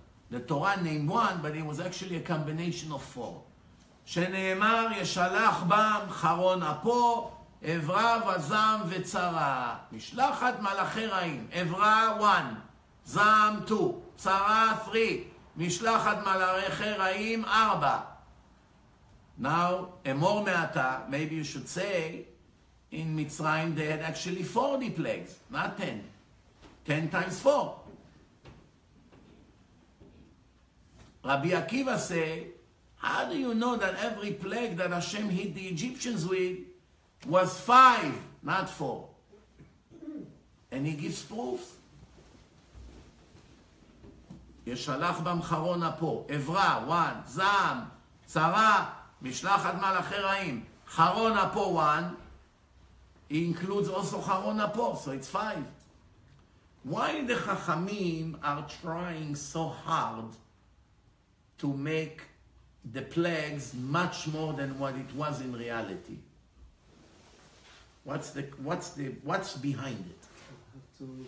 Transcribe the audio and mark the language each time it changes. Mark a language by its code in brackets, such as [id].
[en] The Torah named one, but it was actually a combination of 4. [he] שנאמר ישלח בם חרון אפו, עברה וזעם וצרה. משלחת מלאכי רעים, עברה 1, זעם 2, צרה 3. משלחת מלאכי רעים, [en] 4. Now, [he] אמור מעתה, [en] maybe you should say, in מצרים they had actually 40 plagues, not 10. 10 times 4. רבי עקיבא say, how do you know that every plague that Hashem hit the Egyptians with was 5, not 4? And he gives proof. [he] ישלח במחרון אפו, עברה, וואן, זעם, צרה, משלחת מלאכי רעים, חרון אפו, וואן, [en] he includes also [he] חרון אפו, [en] so it's 5. Why the חכמים are trying so hard to make the plagues much more than what it was in reality? What's behind it?